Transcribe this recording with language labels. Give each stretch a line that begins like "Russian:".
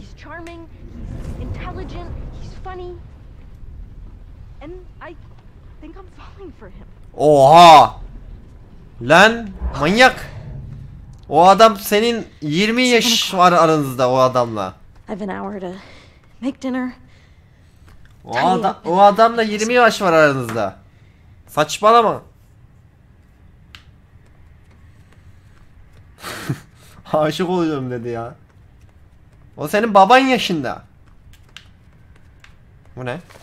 English: He's charming, he's intelligent, he's funny. And I think I'm falling for him.
Turkish: Oha! Lan, manyak. O adam senin 20 yaş var aranızda o adamla.
English: I've an hour to make dinner.
Turkish: O adamla 20 yaş var aranızda. Saçmalama. Aşık oluyorum dedi ya. O senin baban yaşında. Bu ne?